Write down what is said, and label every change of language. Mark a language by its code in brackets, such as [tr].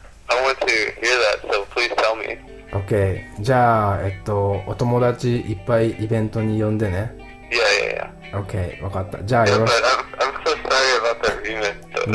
[en] I want to hear that, so please tell me. [ja] Okay, じゃあ、お友達いっぱいイベントに呼んでね。 [en] Yeah. [ja] Okay, 分かった。じゃあ、よろしく。 [en] I'm so sorry about that remix.